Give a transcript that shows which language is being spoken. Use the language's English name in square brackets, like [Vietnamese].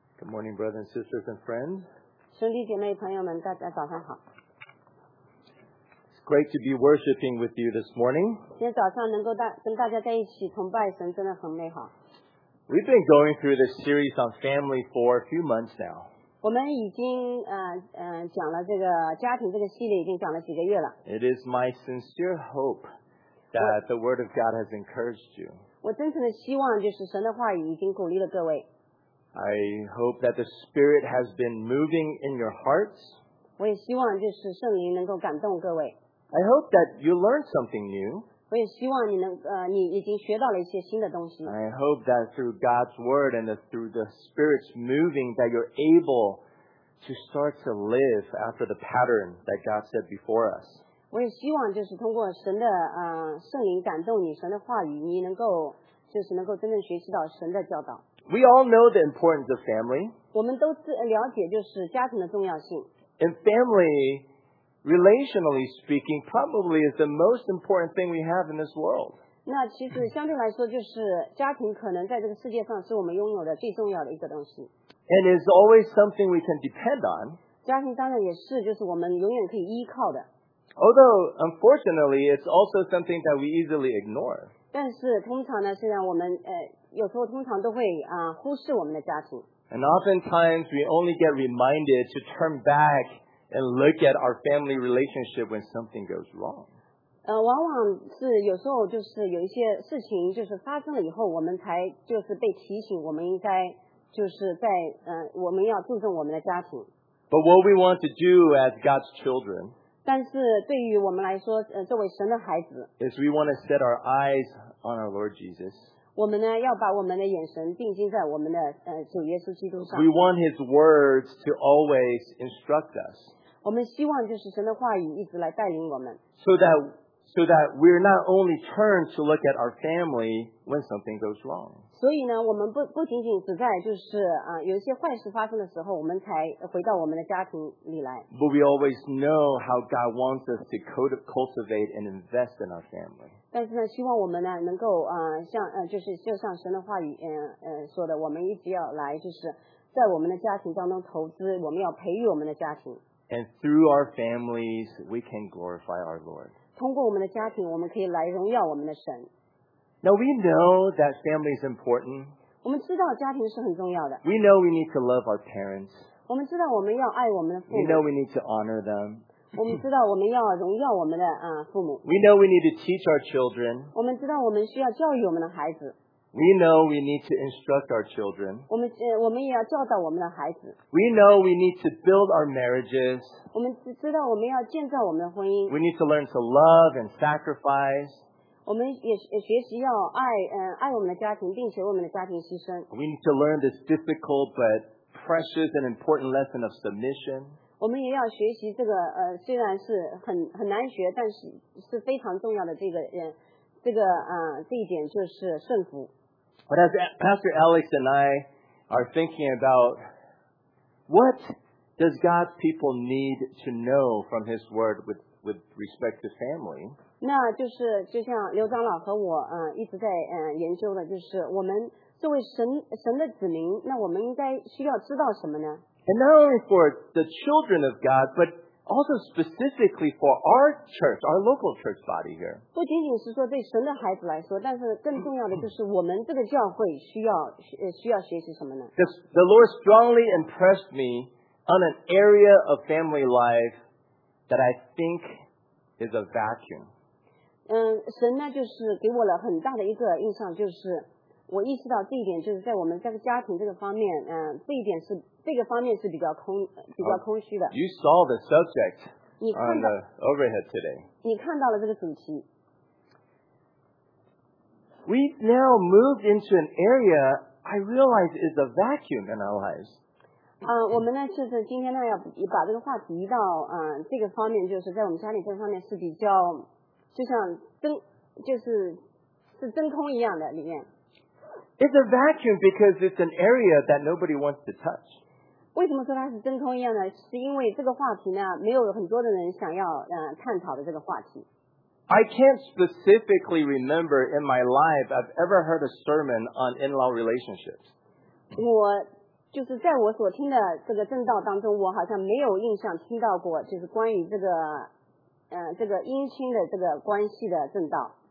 [English] morning, brothers and sisters and friends. [Chinese] 兄弟姐妹朋友们，大家早上好。 [English] It's great to be worshiping with you this morning. [Chinese] 今天早上能够跟大家在一起崇拜神，真的很美好。 [English] We've been going through this series on family for a few months now. [Chinese] 我们已经讲了这个家庭这个系列已经讲了几个月了。 [English] It is my sincere hope that the Word of God has encouraged you. [Chinese] 我真诚的希望就是神的话语已经鼓励了各位。 [English] I hope that the Spirit has been moving in your hearts. [Chinese] 我也希望就是圣灵能够感动各位。 [English] I hope that you learned something new. [Chinese] 我也希望你已经学到了一些新的东西。 [English] I hope that through God's Word and through the Spirit's moving that you're able to start to live after the pattern that God set before us. [Chinese] 我也希望就是通过神的圣灵感动你，神的话语，你能够就是能够真正学习到神的教导。 [English] We all know the importance of family. [Chinese] 我们都了解就是家庭的重要性。 [English] And family, relationally speaking, probably is the most important thing we have in this world. [Chinese] 那其实相对来说就是家庭可能在这个世界上是我们拥有的最重要的一个东西。 [English] And is always something we can depend on. [Chinese] 家庭当然也是就是我们永远可以依靠的。 [English] Although, unfortunately, it's also something that we easily ignore. [Chinese] 但是通常呢，虽然我们有时候通常都会忽视我们的家庭。 [English] And oftentimes we only get reminded to turn back and look at our family relationship when something goes wrong. [Chinese] 往往是有时候就是有一些事情就是发生了以后，我们才就是被提醒，我们应该就是在我们要注重我们的家庭。 [English] But what we want to do as God's children. [Chinese] 但是对于我们来说，作为神的孩子。 [English] Is we want to set our eyes on our Lord Jesus. [Chinese] 我们呢要把我们的眼神定睛在我们的主耶稣基督上。 [English] We want His words to always instruct us. [Chinese] 我们希望就是神的话语一直来带领我们。 [English] So that we're not only turned to look at our family when something goes wrong. [Chinese] 所以呢，我们不仅仅只在就是有一些坏事发生的时候，我们才回到我们的家庭里来。 [English] But we always know how God wants us to cultivate and invest in our family. [Chinese] 但是呢，希望我们呢能够就像神的话语说的，我们一直要来就是在我们的家庭当中投资，我们要培育我们的家庭。 [English] And through our families, we can glorify our Lord. [Chinese] 通过我们的家庭，我们可以来荣耀我们的神。 [English] Now we know that family is important. [Chinese] 我们知道家庭是很重要的。 [English] We know we need to love our parents. [Chinese] 我们知道我们要爱我们的父母。 [English] We know we need to honor them. [Chinese] 我们知道我们要荣耀我们的父母。 [English] We know we need to teach our children. [Chinese] 我们知道我们需要教育我们的孩子。 [English] We know we need to instruct our children. [Chinese] 我们也要教导我们的孩子。 [English] We know we need to build our marriages. [Chinese] 我们知道我们要建造我们的婚姻。 [English] We need to learn to love and sacrifice. [Chinese] 我们也学习要爱我们的家庭，并且为我们的家庭牺牲。 [English] We need to learn this difficult but precious and important lesson of submission. [Chinese] 我们也要学习这个虽然是很难学，但是非常重要的这个人。这一点就是顺服。 [English] But as Pastor Alex and I are thinking about what does God's people need to know from His Word with respect to family? [Chinese] 那就是就像刘长老和我一直在研究的，就是我们作为神的子民，那我们应该需要知道什么呢 [English] ？And not only for the children of God, but also specifically for our church, our local church body here. [Chinese] 不仅仅是说对神的孩子来说，但是更重要的就是我们这个教会需要学习什么呢？ [English] The Lord strongly impressed me on an area of family life that I think is a vacuum. [Chinese] 神呢就是给我了很大的一个印象，就是我意识到这一点，就是在我们这个家庭这个方面，这一点是。这个方面是比较空虚的。 [English] Oh, you saw the subject on the overhead today. [Chinese] 你看到了这个主题。 [English] We've now moved into an area I realize is a vacuum in our lives. [Chinese] 我们呢就是今天呢要把这个话题移到这个方面，就是在我们家里这方面是比较就像是真空一样的里面。 [English] It's a vacuum because it's an area that nobody wants to touch. [Chinese] 为什么说它是真空一样呢？是因为这个话题呢，没有很多的人想要探讨的这个话题。 [English] I can't specifically remember in my life I've ever heard a sermon on in-law relationships. [Chinese] 我就是在我所听的这个正道当中，我好像没有印象听到过，就是关于这个，这个姻亲的这个关系的正道。